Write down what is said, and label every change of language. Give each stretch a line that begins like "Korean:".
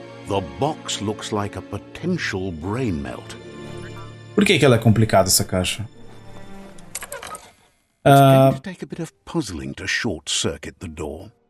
English: The box looks like a potential brain melt.
Portuguese: Por que que ela é complicada, essa caixa?
English: Take a bit of puzzling to short circuit the door.